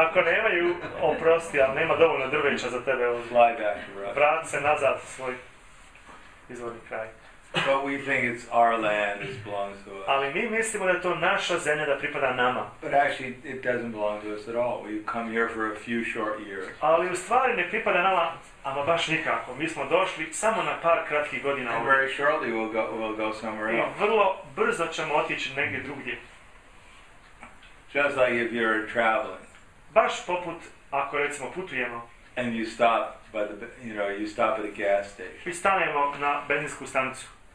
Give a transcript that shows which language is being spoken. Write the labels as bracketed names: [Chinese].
[Bosnian] Ako nemaju, oprosti, ali nema dovoljno drveća za tebe. [English] Fly back to Russia. [Bosnian] Vrat se nazad u svoj izvorni kraj. [English] But we think it's our land, it belongs to us. [Bosnian] Ali mi mislimo da je to naša zemlja, da pripada nama. [English] But actually, it doesn't belong to us at all. We've come here for a few short years. [Bosnian] Ali u stvari ne pripada nama, ama baš nikako. Mi smo došli samo na par kratkih godina. [English] And very shortly we'll go somewhere else. [Bosnian] I vrlo brzo ćemo otići negdje drugdje. [English] Just like if you're traveling. [Bosnian] Baš poput ako recimo putujemo. [English] And you stop by the, you know, you stop at the gas station. [Bosnian] Mi stanemo na benzinsku stanicu.